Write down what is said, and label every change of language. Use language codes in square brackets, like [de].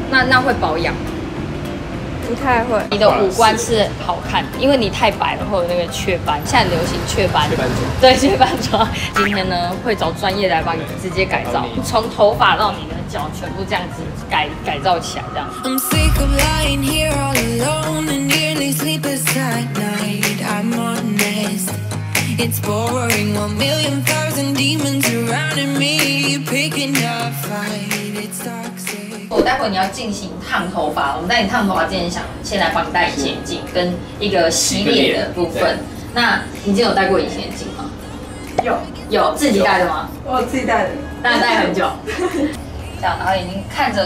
[zh] 那会保养？不太会。你的五官是好看的，因为你太白了，会有那个雀斑。现在流行雀斑。雀斑妆。对，雀斑妆。今天呢，会找专业来帮你直接改造，从头发到你的脚，全部这样子改造起来，这样子。 [en] I'm sick of lying here all alone and nearly sleepless at night. I'm honest. It's boring. 1,000,000 demons surrounding me, picking up fight. It's toxic. [zh] 我待会你要进行烫头发，我们在你烫头发之前想先来帮你戴隐形眼镜跟一个洗脸的部分。那你今天有戴过隐形眼镜吗？有自己戴的吗？我自己戴的，但戴很久。这样，然后眼睛看着